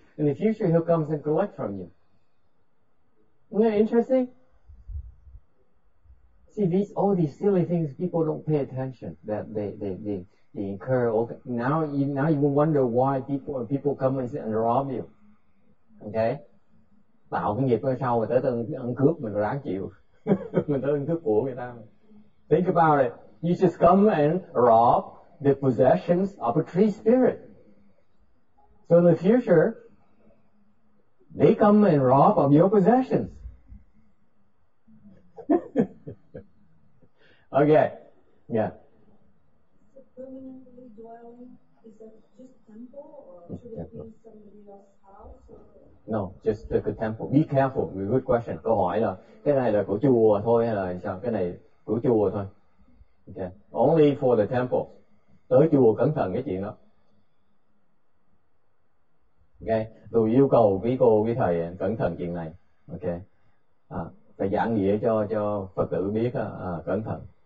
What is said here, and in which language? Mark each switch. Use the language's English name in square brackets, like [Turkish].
[English] In the future, he'll come and collect from you. Isn't that interesting? See, these, all these silly things, people don't pay attention that they incur. Okay. Now you will wonder why people come and sit and rob you. Okay? [Vietnamese] Tạo cái nghiệp sau rồi tới tới ăn cướp mình ráng chịu. Mình tới ăn cướp của người ta. [English] Think about it. You just come and rob the possessions of a tree spirit. So in the future, they come and rob of your possessions. Okay, yeah. So permanently dwelling, is that just temple or should it be somebody else's house? No, just like a temple. Be careful, good question. [Vietnamese] câu hỏi là, cái này là của chùa thôi hay là sao? Cái này của chùa thôi. [English] Okay, only for the temple. [Vietnamese] Tới chùa cẩn thận cái chuyện đó. Okay, tôi yêu cầu quý cô, quý thầy cẩn thận chuyện này. Okay, à, phải giảng nghĩa cho Phật tử biết à, à, cẩn thận.